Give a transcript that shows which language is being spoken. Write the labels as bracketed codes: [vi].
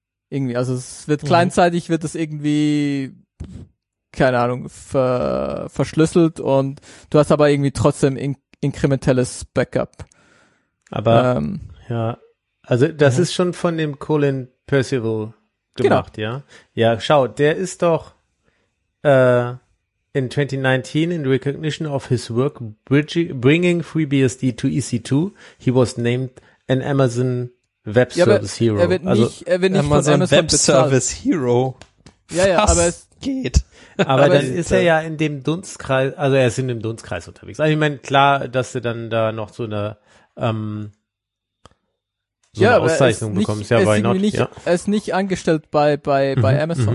[de] Irgendwie, also es wird kleinseitig, wird es irgendwie, keine Ahnung, verschlüsselt und du hast aber irgendwie trotzdem inkrementelles Backup. Aber, ja, also das ist schon von dem Colin Percival gemacht, genau. Ja, schau, der ist doch [en] in 2019 in recognition of his work bringing FreeBSD to EC2, he was named an Amazon Web Service Hero. [de] Er wird nicht Amazon von Amazon Web bezahlt. Service Hero. Ja, ja, aber es geht. Aber dann ist er ja in dem Dunstkreis, also er ist in dem Dunstkreis unterwegs. Also ich meine, klar, dass du dann da noch so eine, eine Auszeichnung bekommst. Ja, aber er ist nicht angestellt bei Amazon.